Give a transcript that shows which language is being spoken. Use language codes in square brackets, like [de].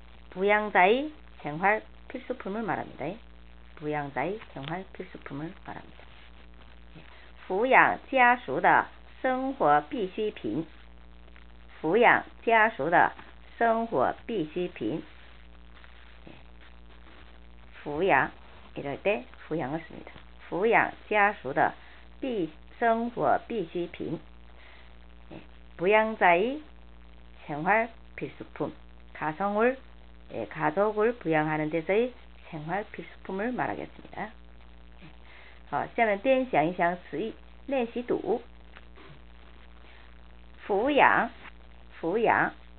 [ko] 부양자의 생활 필수품을 말합니다. 부양자의 생활 필수품을 말합니다. [zh] 부양家属的生活必需品. 부양家属的生活必需品. [ko] 부양 이럴 때 부양을 씁니다. 부양家属的生活必需品. 부양자의 생활 필수품. 가정을 가족을 부양하는 데서의 생활 필수품을 말하겠습니다. [zh] 好，下面边想一想词义练习读。抚养，抚养。